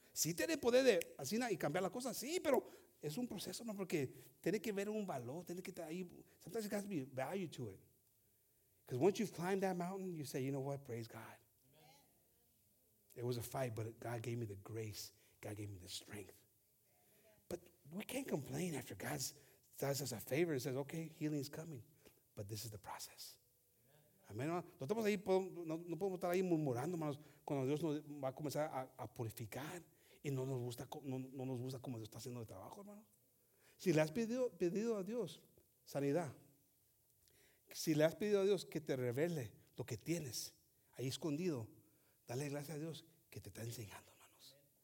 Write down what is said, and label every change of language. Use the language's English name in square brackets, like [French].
[Spanish] Sí tiene poder de así y cambiar la cosa. Sí, pero es un proceso, hermano, porque tiene que ver un valor. Tiene que estar ahí. [English] Sometimes it has to be value to it. Because once you've climbed that mountain, you say, you know what? Praise God. Amen. It was a fight, but God gave me the grace. God gave me the strength. But we can't complain after God does us a favor and says, okay, healing's coming. But this is the process. Amen. [Spanish] No estamos ahí, no podemos estar ahí murmurando, hermanos. Cuando Dios nos va a comenzar a purificar y no nos gusta como Dios está haciendo el trabajo, hermano. Si le has pedido a Dios sanidad, si le has pedido a Dios que te revele lo que tienes ahí escondido, dale gracias a Dios que te está enseñando, hermanos.